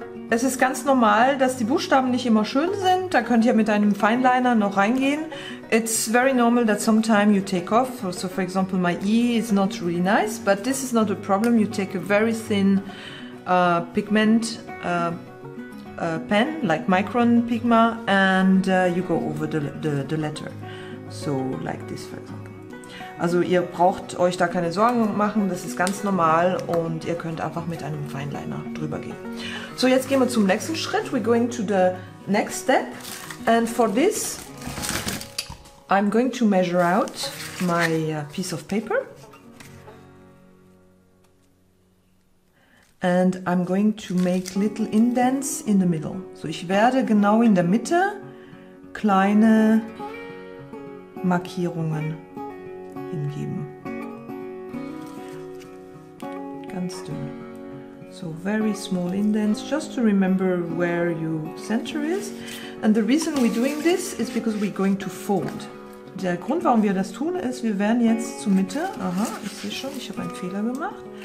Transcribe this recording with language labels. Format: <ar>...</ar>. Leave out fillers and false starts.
<de>Es ist ganz normal, dass die Buchstaben nicht immer schön sind. Da könnt ihr mit einem Fineliner noch reingehen.</de> <en>It's very normal that sometime you take off. So for example, my E is not really nice, but this is not a problem. You take a very thin pigment pen, like Micron Pigma, and you go over the letter. So like this, for example.</en> <de>Also ihr braucht euch da keine Sorgen machen, das ist ganz normal und ihr könnt einfach mit einem Fineliner drüber gehen. So, jetzt gehen wir zum nächsten Schritt.</de> <en>We're going to the next step. And for this, I'm going to measure out my piece of paper. And I'm going to make little indents in the middle.</en> <de>So, ich werde genau in der Mitte kleine Markierungen hingeben. Ganz dünn.</de> <en>So very small indents, just to remember where your center is. And the reason we're doing this is because we're going to fold.</en> <de>Der Grund, warum wir das tun, ist, wir werden jetzt zur Mitte. Aha, ich sehe schon, ich habe einen Fehler gemacht.</de>